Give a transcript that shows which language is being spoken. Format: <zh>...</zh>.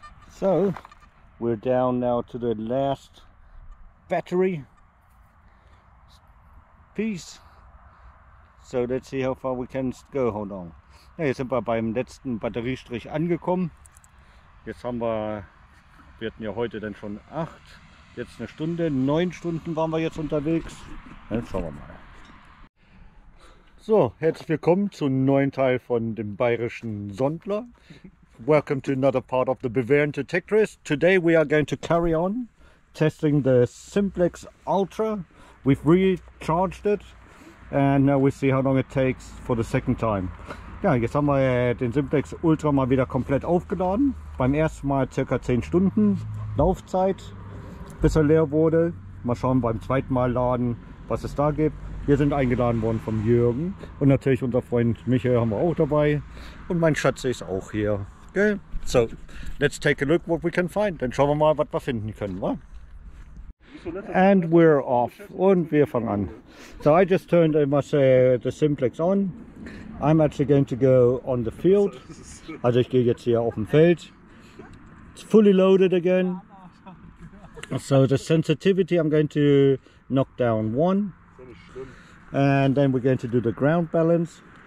<en>So, we're down now to the last battery piece. So, let's see how far we can go. Hold on.</en> <de>Ja, jetzt sind wir beim letzten Batteriestrich angekommen. Jetzt haben wir, wir hatten ja heute dann schon 8, jetzt eine Stunde, 9 Stunden waren wir jetzt unterwegs. Dann schauen wir mal. So, herzlich willkommen zum neuen Teil von dem Bayerischen Sondler.</de> <en>Welcome to another part of the Bavarian Detectorist. Today we are going to carry on testing the Simplex Ultra. We've recharged it and now we see how long it takes for the second time.</en> <de>Ja, jetzt haben wir den Simplex Ultra mal wieder komplett aufgeladen. Beim ersten Mal ca. 10 Stunden Laufzeit, bis er leer wurde. Mal schauen beim zweiten Mal laden, was es da gibt. Wir sind eingeladen worden vom Jürgen und natürlich unser Freund Michael haben wir auch dabei. Und mein Schatz ist auch hier. Okay.</de> <en>So, let's take a look what we can find.</en> <de>Dann schauen wir mal, was wir finden können. Wa?</de> <en>And we're off.</en> <de>Und wir fangen an.</de> <en>So, I just turned, I must say, the Simplex on. I'm actually going to go on the field.</en> <de>Also ich gehe jetzt hier auf dem Feld.</de> <en>It's fully loaded again. So the sensitivity, I'm going to knock down 1. And then we're going to do the ground balance.</en>